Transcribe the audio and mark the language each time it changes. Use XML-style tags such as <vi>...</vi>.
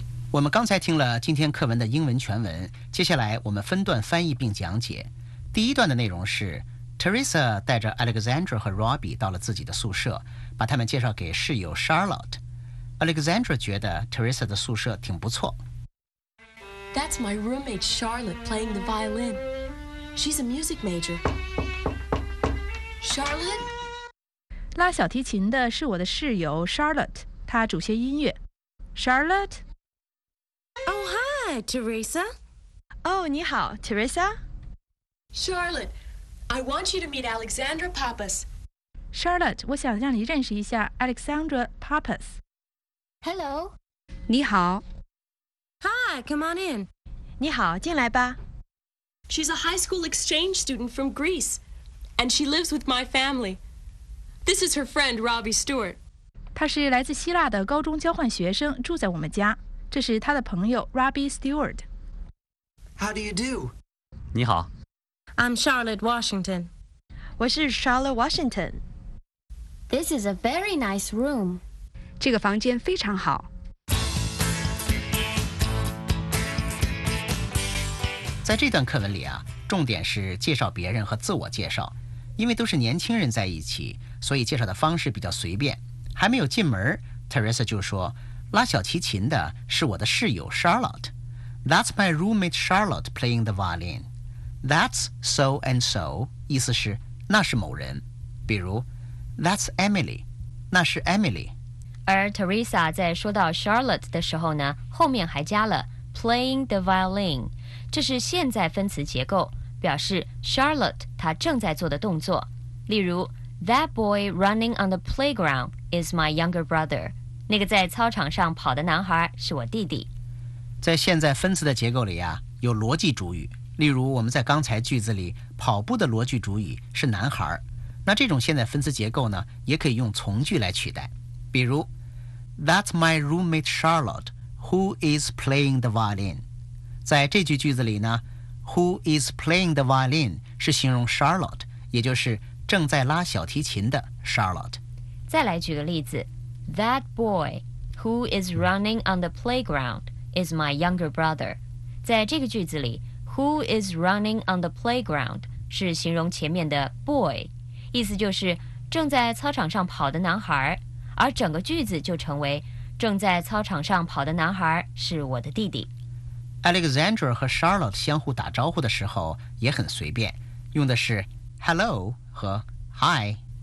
<zh>我们刚才听了今天课文的英文全文，接下来我们分段翻译并讲解。第一段的内容是 Teresa 带着 Alexandra 和 Robbie 到了自己的宿舍，把他们介绍给室友 Charlotte。 Alexandra 觉得 Teresa 的宿舍挺不错。</zh> <en>That's my roommate Charlotte playing the violin. She's a music major. Charlotte?</en> <zh>拉小提琴的是我的室友 Charlotte， 她主修音乐。</zh> <en>Charlotte? Hi, Teresa. Oh,</en> <zh>你好 Teresa.</zh> <en>Charlotte, I want you to meet Alexandra Pappas.</en> <zh>Charlotte, 我想让你认识一下 Alexandra Pappas.</zh> <en>Hello.</en> <zh>你好。</zh> <en>Hi, come on in.</en> <zh>你好，进来吧。</zh> <en>She's a high school exchange student from Greece, and she lives with my family. This is her friend, Robbie Stewart.</en> <zh>她是来自希腊的高中交换学生，住在我们家。这是他的朋友 Robbie Stewart.</zh> <en>How do you do?</en> <zh>你好。</zh> <en>I'm Charlotte Washington.</en> <zh>我是 Charlotte Washington.</zh> <en>This is a very nice room.</en> <zh>这个房间非常好。在这段课文里啊，重点是介绍别人和自我介绍，因为都是年轻人在一起，所以介绍的方式比较随便。还没有进门， Teresa 就说拉小提琴的是我的室友 Charlotte.</zh> <en>That's my roommate Charlotte playing the violin. That's so and so,</en> <zh>意思是那是某人。比如</zh> <en>That's Emily,</en> <zh>那是 Emily. 而 Teresa 在说到 Charlotte 的时候呢，后面还加了</zh> <en>playing the violin.</en> <zh>这是现在分词结构，表示 Charlotte 她正在做的动作。例如</zh> <en>That boy running on the playground is my younger brother.</en> <zh>那个在操场上跑的男孩是我弟弟。在现在分词的结构里啊，有逻辑主语。例如我们在刚才句子里跑步的逻辑主语是男孩，那这种现在分词结构呢，也可以用从句来取代。比如</zh> <en>That's my roommate Charlotte who is playing the violin。</en> <zh>在这句句子里呢，</zh> <en>who is playing the violin</en> <zh>是形容 Charlotte， 也就是正在拉小提琴的 Charlotte。再来举个例子，</zh> <en>That boy who is running on the playground is my younger brother.</en> <zh>在这个句子里</zh> <en>who is running on the playground</en> <zh>是形容前面的 boy， 意思就是正在操场上跑的男孩，而整个句子就成为正在操场上跑的男孩是我的弟弟。 Alexandra 和 Charlotte 相互打招呼的时候也很随便，用的是 hello 和 hi。</zh>